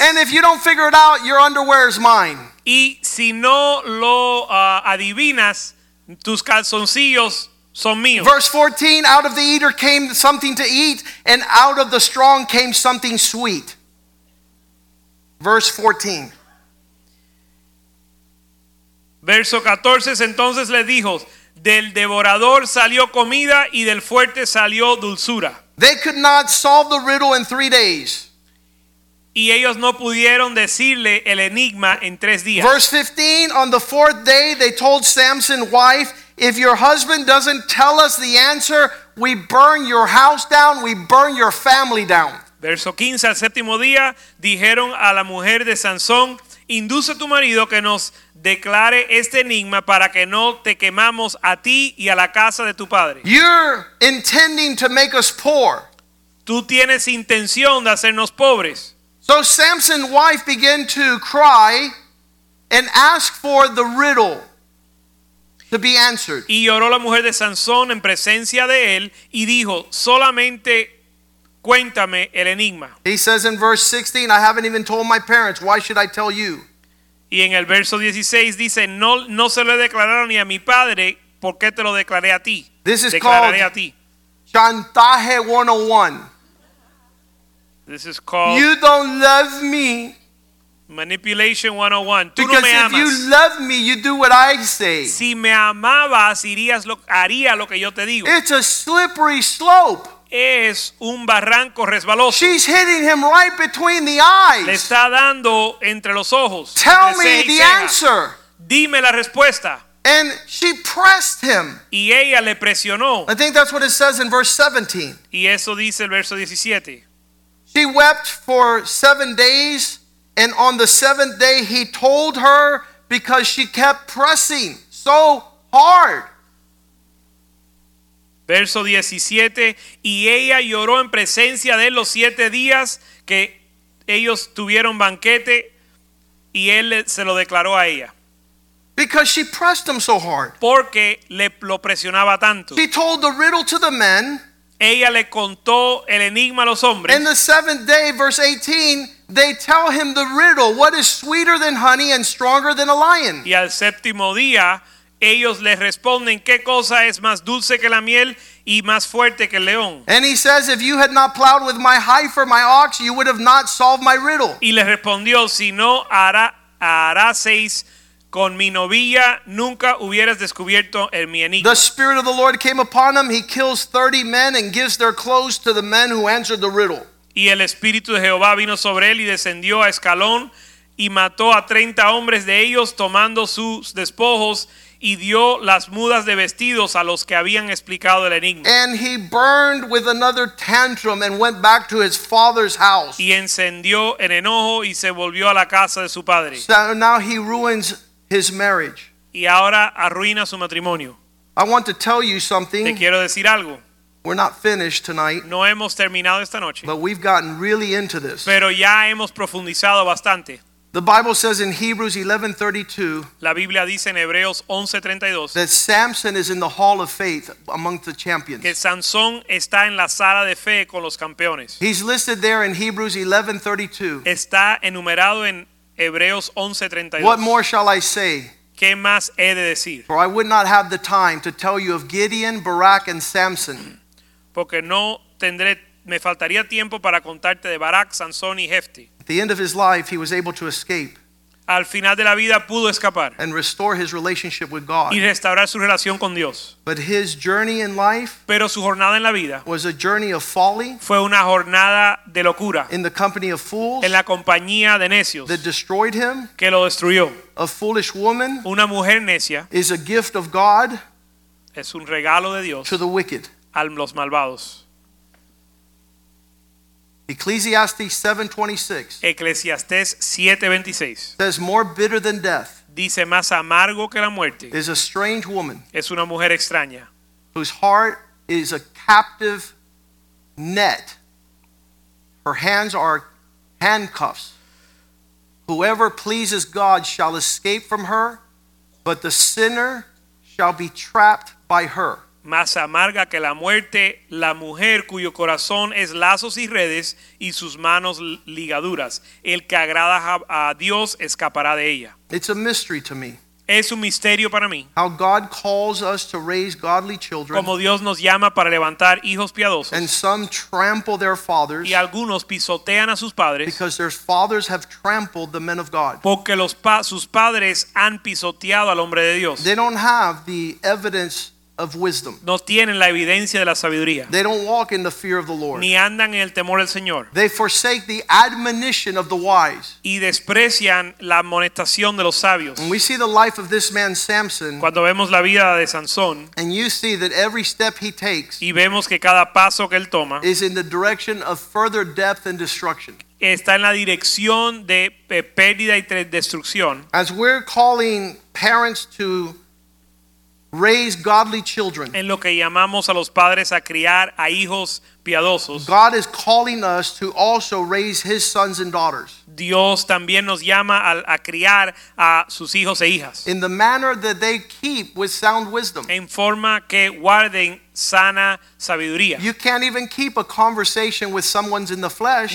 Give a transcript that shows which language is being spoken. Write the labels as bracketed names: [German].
[English] And if you don't figure it out, your underwear is mine. [Spanish] Y si no lo adivinas, tus calzoncillos son míos. [English] Verse 14, out of the eater came something to eat, and out of the strong came something sweet. Verse 14. [Spanish] Verso 14, entonces le dijo, del devorador salió comida y del fuerte salió dulzura. [English] They could not solve the riddle in 3 days. [Spanish] Y ellos no pudieron decirle el enigma en 3 días. [English] Verse 15, on the fourth day they told Samson's wife, if your husband doesn't tell us the answer, we burn your house down, we burn your family down. [Spanish] Verso 15, al séptimo día dijeron a la mujer de Sansón, Induce a tu marido que nos declare este enigma para que no te quemamos a ti y a la casa de tu padre. [English] You're intending to make us poor. [Spanish] Tú tienes intención de hacernos pobres. [English] So Samson's wife began to cry and ask for the riddle to be answered. [Spanish] Y lloró la mujer de Sansón en presencia de él y dijo, solamente cuéntame el enigma. [English] He says in verse 16, I haven't even told my parents, why should I tell you? [Spanish] Y en el verso 16 dice, no se lo he declarado ni a mi padre, ¿por qué te lo declaré a ti? [English] This is called Chantaje 101. This is called You don't love me. Manipulation 101. Tú because [Spanish] no me amas. [English] If you love me, you do what I say. [Spanish] Si me amabas, haría lo que yo te digo. [English] It's a slippery slope. [Spanish] Es un barranco resbaloso. [English] She's hitting him right between the eyes. [Spanish] Le está dando entre los ojos. [English] Tell me the answer. [Spanish] Dime la respuesta. [English] And she pressed him. [Spanish] Y ella le presionó. [English] I think that's what it says in verse 17. [Spanish] Y eso dice el verso 17. [English] She wept for 7 days. And on the 7th day, he told her because she kept pressing so hard. [Spanish] Verso 17, y ella lloró en presencia de él los 7 días que ellos tuvieron banquete, y él se lo declaró a ella. [English] Because she pressed him so hard. [Spanish] Porque le lo presionaba tanto. [English] She told the riddle to the men. [Spanish] Ella le contó el enigma a los hombres. [English] In the 7th day, verse 18, they tell him the riddle. What is sweeter than honey and stronger than a lion? [Spanish] Y al séptimo día, ellos le responden, ¿qué cosa es más dulce que la miel y más fuerte que el león? [English] And he says, if you had not plowed with my heifer, my ox, you would have not solved my riddle. [Spanish] Y le respondió, si no araseis con mi novilla, nunca hubieras descubierto mi enigma. [English] The Spirit of the Lord came upon him. He kills 30 men and gives their clothes to the men who answered the riddle. [Spanish] Y el Espíritu de Jehová vino sobre él y descendió a Escalón y mató a 30 hombres de ellos, tomando sus despojos y dio las mudas de vestidos a los que habían explicado el enigma. [English] And he burned with another tantrum and went back to his father's house. [Spanish] Y encendió en enojo y se volvió a la casa de su padre. [English] So now he ruins his marriage. [Spanish] Y ahora arruina su matrimonio. [English] I want to tell you something. [Spanish] Te quiero decir algo. [English] We're not finished tonight. [Spanish] No hemos terminado esta noche. [English] But we've gotten really into this. [Spanish] Pero ya hemos profundizado bastante. [English] The Bible says in Hebrews 11:32. [Spanish] La Biblia dice en Hebreos 11:32. [English] That Samson is in the hall of faith among the champions. [Spanish] Que Sansón está en la sala de fe con los campeones. [English] He's listed there in Hebrews 11:32. [Spanish] Está enumerado en Hebreos 11:32. [English] What more shall I say? [Spanish] ¿Qué más he de decir? [English] For I would not have the time to tell you of Gideon, Barak, and Samson. [Spanish] Porque no tendré, me faltaría tiempo para contarte de Barak, Sansón y Jefti. [English] At the end of his life, he was able to escape. [Spanish] Al final de la vida pudo escapar. [English] And restore his relationship with God. [Spanish] Y restaurar su relación con Dios. [English] But his journey in life. [Spanish] Pero su jornada en la vida. [English] Was a journey of folly. [Spanish] Fue una jornada de locura. [English] In the company of fools. [Spanish] En la compañía de necios. [English] That destroyed him. [Spanish] Que lo destruyó. [English] A foolish woman. [Spanish] Una mujer necia. [English] Is a gift of God. [Spanish] Es un regalo de Dios. [English] To the wicked. [Spanish] A los malvados. [English] Ecclesiastes 7:26. [Spanish] Eclesiastés 7:26. [English] Says more bitter than death. [Spanish] Dice más amargo que la muerte. [English] Is a strange woman. [Spanish] Es una mujer extraña. [English] Whose heart is a captive net. Her hands are handcuffs. Whoever pleases God shall escape from her, but the sinner shall be trapped by her. [Spanish] Más amarga que la muerte, la mujer cuyo corazón es lazos y redes y sus manos ligaduras. El que agrada a Dios escapará de ella. [English] It's a mystery to me. [Spanish] Es un misterio para mí. [English] How God calls us to raise godly children. [Spanish] Como Dios nos llama para levantar hijos piadosos. [English] And some trample their fathers. [Spanish] Y algunos pisotean a sus padres. [English] Because their fathers have trampled the men of God. [Spanish] Porque sus padres han pisoteado al hombre de Dios. [English] They don't have the evidence of wisdom. [Spanish] No tienen la evidencia de la sabiduría. [English] They don't walk in the fear of the Lord. [Spanish] Ni andan en el temor del Señor. [English] They forsake the admonition of the wise. [Spanish] Y desprecian la amonestación de los sabios. [English] When we see the life of this man Samson, [Spanish] cuando vemos la vida de Sansón, [English] and you see that every step he takes, [Spanish] y vemos que cada paso que él toma, is in the direction of further death and destruction. Está en la dirección de pérdida y destrucción. [English] As we're calling parents to raise godly children. [Spanish] En lo que llamamos a los padres a criar a hijos piadosos. [English] God is calling us to also raise His sons and daughters. [Spanish] Dios también nos llama a criar a sus hijos e hijas. [English] In the manner that they keep with sound wisdom. [Spanish] En forma que guarden sana sabiduría. [English] You can't even keep a conversation with someone's in the flesh.